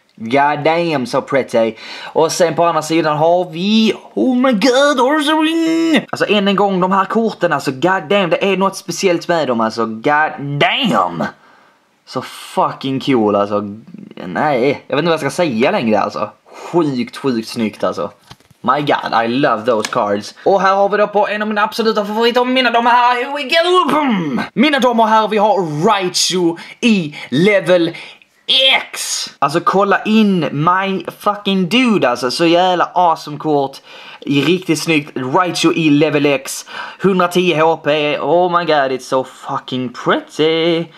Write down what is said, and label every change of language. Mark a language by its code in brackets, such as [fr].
[en] God damn, so pretty. [sv] Och sen på andra sidan har vi... [en] Oh my god, [sv] Orzoring! Alltså än en gång, de här korten, alltså [en] god damn, [sv] det är något speciellt med dem, alltså god damn! Så fucking cool alltså. Nej, jag vet inte vad jag ska säga längre alltså. Sjukt, sjukt snyggt alltså. [en] My god, I love those cards. [sv] Och här har vi då på en av mina absoluta favoriter, mina damer och herrar, [en] here we go! [sv] Boom! Mina damer och herrar, vi har Raichu i level X. Alltså kolla in [en] my fucking dude [sv] alltså, så jävla awesome kort. Riktigt snyggt, Raichu i level X, 110 HP, [en] oh my god, it's so fucking pretty.